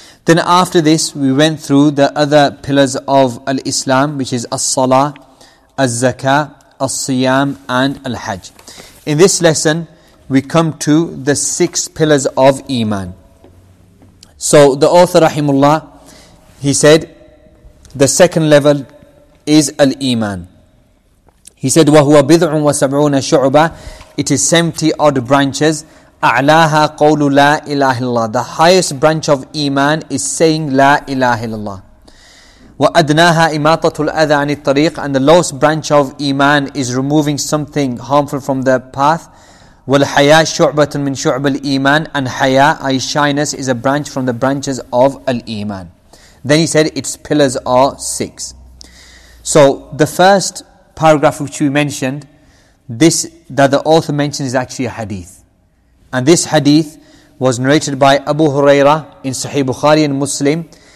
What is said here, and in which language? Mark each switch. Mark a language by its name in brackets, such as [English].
[English] Then after this, we went through the other pillars of Al-Islam, which is As-Salah, As-Zakah, As-Siyam, and Al-Hajj. In this lesson, we come to the six pillars of Iman. So the author, rahimullah, he said, the second level is Al-Iman. He said, [Arabic] وَهُوَ بِذْعٌ وَسَبْعُونَ شُعُبًا. [English] It is 70 odd branches. [Arabic] أعلاها قول لا إله إلا الله. [English] The highest branch of Iman is saying [Arabic] لا إله إلا الله. وأدناها إماطة الأذى عن الطريق. [English] And the lowest branch of Iman is removing something harmful from the path. [Arabic] والحياة شعبة من شعب الإيمان. [English] And حياة, i.e. shyness, is a branch from the branches of الإيمان. Then he said its pillars are six. So the first paragraph which we mentioned, this that the author mentions is actually a hadith. And this hadith was narrated by Abu Huraira in Sahih Bukhari and Muslim.